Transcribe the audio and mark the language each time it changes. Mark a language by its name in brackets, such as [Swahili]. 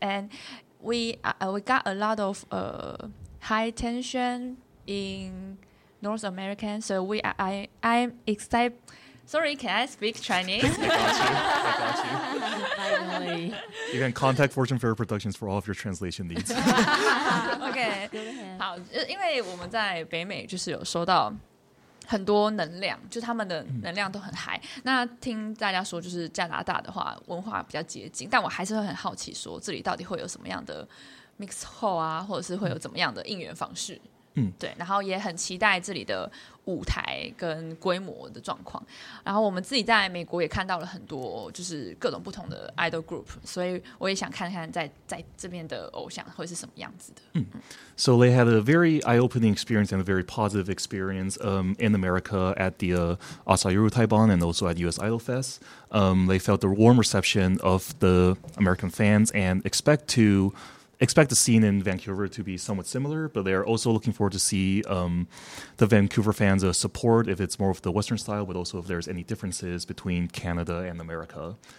[English] And we got a lot of high tension in North America, so I'm excited Sorry, can I speak Chinese? I got you. You can contact Fortune Fair Productions for all of your translation needs. [Chinese] OK, 好，因为我们在北美就是有收到很多能量，就是他们的能量都很high。那听大家说，就是加拿大的话文化比较接近，但我还是会很好奇说这里到底会有什么样的 mix hall 啊，或者是会有怎么样的应援方式。对，然后也很期待这里的舞台跟规模的状况。然后我们自己在美国也看到了很多就是各种不同的 idol group， 所以我也想看看 在这边的偶像会是什么样子的。 [English] So they had a very eye-opening experience and a very positive experience in America at the Asayuru Taibon and also at US Idol Fest. They felt the warm reception of the American fans and expect the scene in Vancouver to be somewhat similar, but they are also looking forward to see the Vancouver fans' support, if it's more of the Western style, but also if there's any differences between Canada and America.